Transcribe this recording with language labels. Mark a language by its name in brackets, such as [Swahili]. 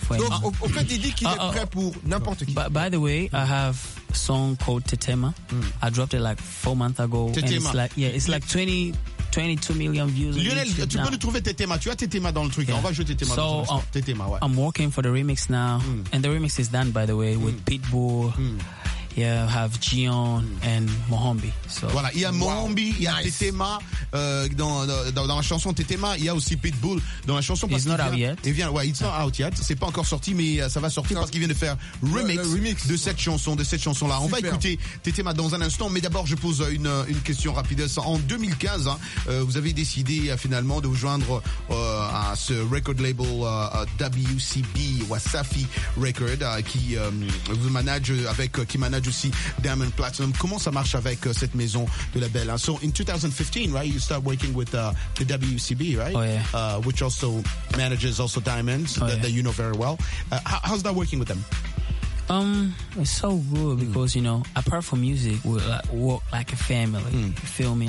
[English] By the way, I have song called Tetema. I dropped it like 4 months ago. Tetema. And it's like, yeah, it's like 22 million views. [French] Lionel, tu peux le trouver, Tetema. Tu as Tetema dans le truc. Yeah. On va jouer Tetema. [English] So, [French] Tetema, ouais. [English] I'm working for the remix now. And the remix is done, by the way, with Pitbull. Yeah, I have Gion and Mohambi. So, [French] voilà, il y a Mohambi, il y a Tetema dans la chanson Tetema. Il y a aussi Pitbull dans la chanson. [English] It's not out yet. It's not out yet. [French] C'est pas encore sorti, mais ça va sortir parce qu'il vient de faire remix de cette chanson, de cette chanson-là. Super. On va écouter Tetema dans un instant, mais d'abord je pose une question rapide. En 2015, vous avez décidé finalement de vous joindre à ce record label WCB, Wasafi Record, qui vous manage avec Kimana. Aussi Diamond Platinum. Comment ça marche avec cette maison de label? [English] So in 2015, right, you start working with the WCB, right? Oh, yeah. Which also manages also Diamonds, that you know very well. How's that working with them? It's so good because, you know, apart from music, we work like a family. You feel me?